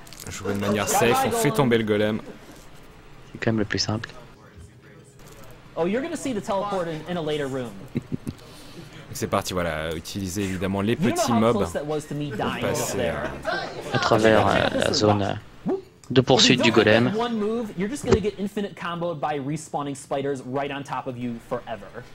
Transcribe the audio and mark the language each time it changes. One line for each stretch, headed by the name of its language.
French: Jouer de manière safe, on fait tomber le golem. C'est quand même le plus simple.
English: Oh, you're gonna see the teleport in a later room.
French: C'est parti, voilà, utiliser évidemment les petits mobs pour passer à travers la zone de poursuite du golem.
English: Move, you're just gonna get infinite comboed by respawning spiders right on top of you forever.